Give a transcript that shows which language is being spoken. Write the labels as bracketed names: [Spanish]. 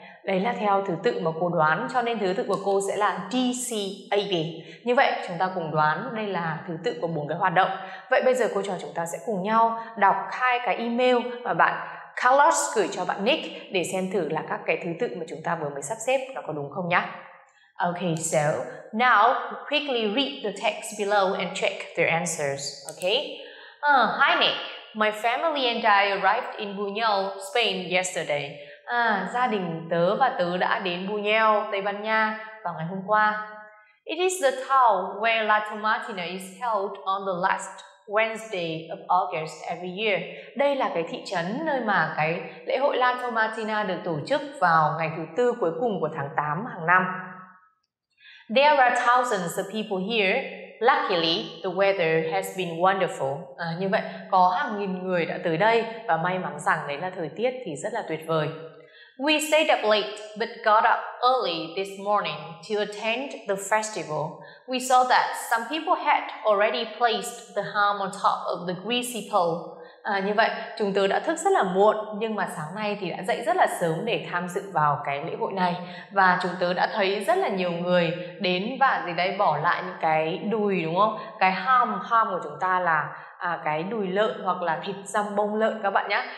[Vietnamese] Đấy là theo thứ tự mà cô đoán, cho nên thứ tự của cô sẽ là DCAB. Như vậy chúng ta cùng đoán đây là thứ tự của bốn cái hoạt động. Vậy bây giờ cô trò chúng ta sẽ cùng nhau đọc hai cái email mà bạn Carlos gửi cho bạn Nick để xem thử là các cái thứ tự mà chúng ta vừa mới sắp xếp nó có đúng không nhá. [English] Okay, so now quickly read the text below and check their answers, okay? Hi Nick, my family and I arrived in Buñol, Spain yesterday. [Vietnamese] Gia đình tớ và tớ đã đến Buñol, Tây Ban Nha vào ngày hôm qua. [English] It is the town where La Tomatina is held on the last Wednesday of August every year. [Vietnamese] Đây là cái thị trấn nơi mà cái lễ hội La Tomatina được tổ chức vào ngày thứ tư cuối cùng của tháng 8 hàng năm. [English] There are thousands of people here. Luckily, the weather has been wonderful. [Vietnamese] Như vậy, có hàng nghìn người đã tới đây và may mắn rằng đấy là thời tiết thì rất là tuyệt vời. [English] We stayed up late but got up early this morning to attend the festival. We saw that some people had already placed the ham on top of the greasy pole. [Vietnamese] Như vậy, chúng tớ đã thức rất là muộn nhưng mà sáng nay thì đã dậy rất là sớm để tham dự vào cái lễ hội này. Và chúng tớ đã thấy rất là nhiều người đến và gì đây bỏ lại những cái đùi đúng không? Cái ham của chúng ta là cái đùi lợn hoặc là thịt dăm bông lợn các bạn nhé.